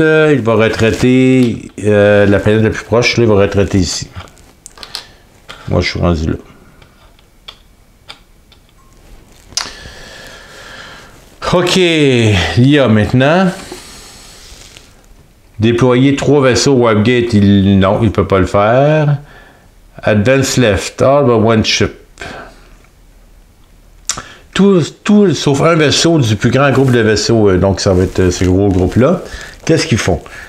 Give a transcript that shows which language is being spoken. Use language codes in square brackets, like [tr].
[fr] Il va retraiter la planète la plus proche. Là, il va retraiter ici. Moi, je suis rendu là. Ok, l'IA maintenant. Déployer 3 vaisseaux Webgate, il peut pas le faire. [en] Advance left, all but one ship. [fr] Tout sauf un vaisseau du plus grand groupe de vaisseaux, donc ça va être ce gros groupe-là. Qu'est-ce qu'ils font?